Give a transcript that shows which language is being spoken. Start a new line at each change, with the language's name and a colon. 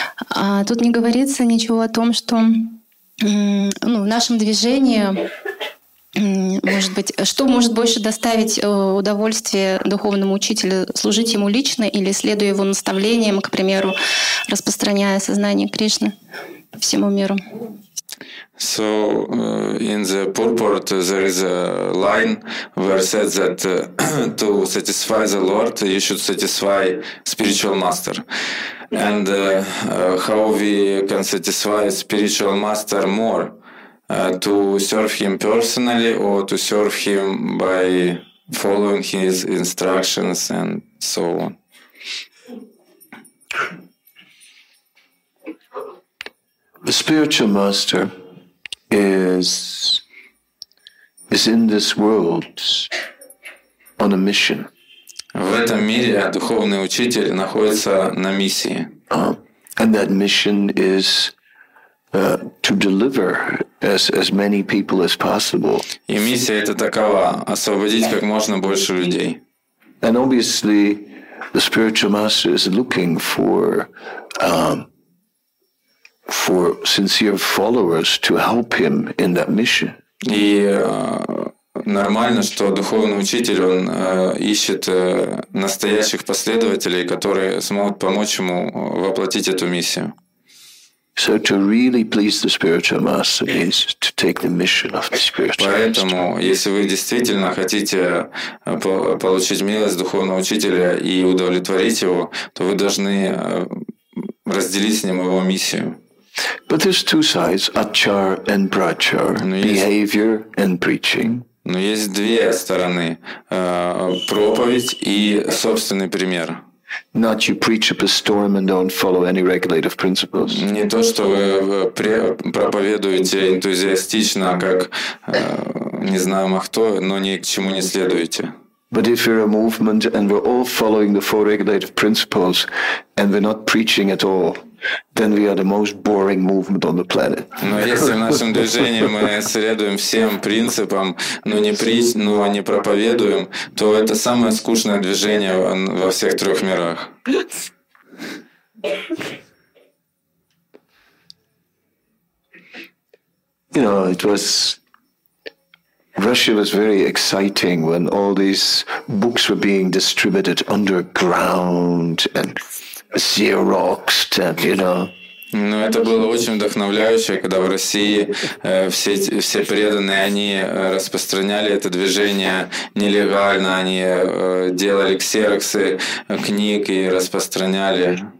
Russian: А тут не говорится ничего о том, что ну, в нашем движении, может быть, что может больше доставить удовольствие духовному учителю, служить ему лично или следуя его наставлениям, к примеру, распространяя сознание Кришны всему миру.
English: So in the purport there is a line where said that to satisfy the Lord you should satisfy spiritual master. And how we can satisfy spiritual master more? To serve him personally or to serve him by following his instructions and so on? The spiritual master is in this world on a mission.
Russian: В этом мире духовный учитель находится на миссии.
English: And that mission is to deliver as many people as possible.
Russian: И миссия эта такова — освободить как можно больше людей.
English: And obviously, the spiritual master is looking for sincere followers to help him in that mission.
Russian: И нормально, что духовный учитель он ищет настоящих последователей, которые смогут помочь ему воплотить эту миссию.
English: So to really please the spiritual master means to take the mission of the spiritual master.
Russian: Поэтому, если вы действительно хотите получить милость духовного учителя и удовлетворить его, то вы должны разделить с ним его миссию.
English: But there's two sides, achar and prachar, behavior and preaching.
Russian: Но есть две стороны, проповедь и собственный пример.
English: Not you preach up a storm and don't follow any regulative principles.
Russian: Не то, что вы проповедуете энтузиастично, как не знаю махто, но ни к чему не следуете.
English: But if you're a movement and we're all following the four regulative principles and we're not preaching at all, then we are the most boring movement on the planet.
Russian: Но если в нашем движении мы следуем всем принципам, но не проповедуем, то это самое скучное движение во всех трех мирах.
English: You know, it was Russia was very exciting when all these books were being distributed underground and Xeroxed, and, you know.
Russian: Ну, это было очень вдохновляюще, когда в России все преданные, они распространяли это движение нелегально, они делали ксероксы книг и распространяли.